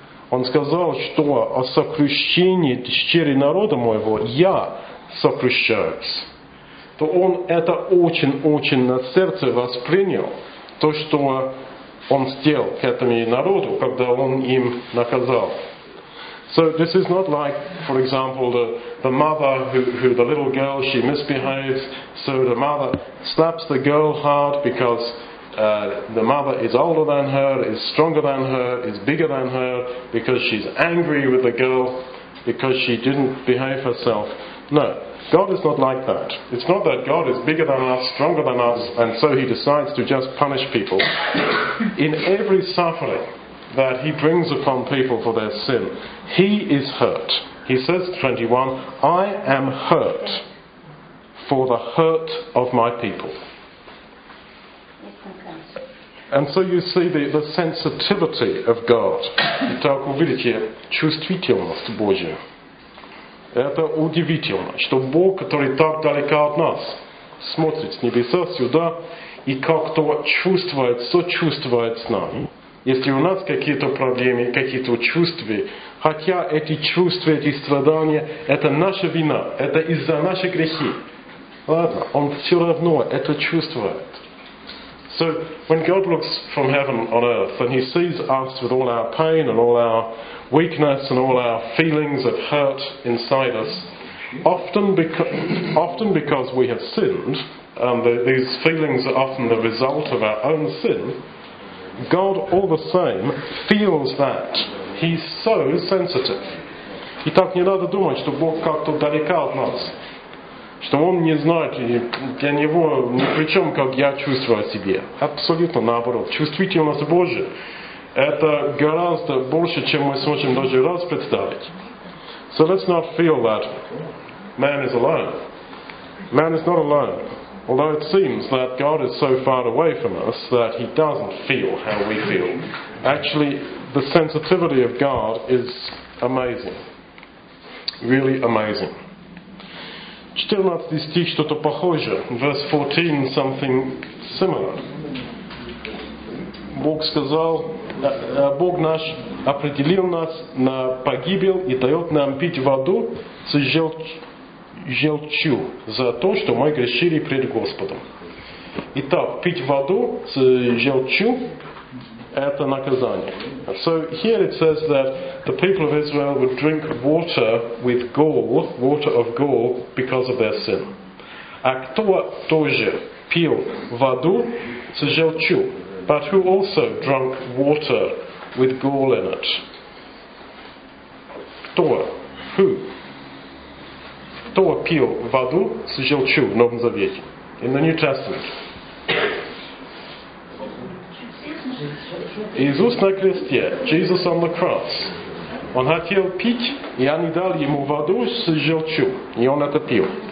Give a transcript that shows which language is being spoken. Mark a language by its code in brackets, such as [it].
[ru] Он сказал, что о сокрушении дщери народа моего я сокрушаюсь. То он это очень-очень на сердце воспринял, то, что он сделал к этому народу, когда он им наказал. [en] So this is not like, for example, the mother who the little girl, she misbehaves, so the mother slaps the girl hard because the mother is older than her, is stronger than her, is bigger than her, because she's angry with the girl, because she didn't behave herself. No, God is not like that. It's not that God is bigger than us, stronger than us, and so he decides to just punish people. In every suffering that he brings upon people for their sin, he is hurt. He says, 21, I am hurt for the hurt of my people. And so you see the sensitivity of God. [ru] Итак, вы видите чувствительность Божию. Это удивительно, что Бог, который так далеко от нас, смотрит с небеса сюда и как-то чувствует, сочувствует с нами. Если у нас какие-то проблемы, какие-то чувства, хотя эти чувства, эти страдания, это наша вина, это из-за наших грехов. Ладно, он все равно это чувствует. [en] So when God looks from heaven on earth and he sees us with all our pain and all our weakness and all our feelings of hurt inside us, often because we have sinned, and these feelings are often the result of our own sin, God all the same feels that. He's so sensitive. [ru] Итак, не надо думать, что Бог как-то далеко от нас. Что он не знает, и для него ни при чем, как я чувствую себя. Абсолютно наоборот. Чувствительность Божия – это гораздо больше, чем мы сможем даже раз представить. [en] So let's not feel that man is alone. Man is not alone. Although it seems that God is so far away from us that he doesn't feel how we feel. Actually, the sensitivity of God is amazing. Really amazing. [ru] 14 стих, что-то похожее. [en] Verse 14, something similar. [ru] Бог сказал, Бог наш определил нас на погибель и дает нам пить воду с желчью за то, что мы грешили пред Господом. Итак, пить воду с желчью – это наказание. [en] So here it says that the people of Israel would drink water with gall, water of gall, because of their sin. [ru] А кто тоже пил воду с желчью? [en] But who also drank water with gall in it? [ru] Кто? [en] Who? [ru] Кто пил воду с желчью в Новом Завете? [en] In the New Testament. [ru] Иисус на кресте. [en] Jesus on the cross. [ru] Он хотел пить, и они дали ему воду с желчью, и он это пил.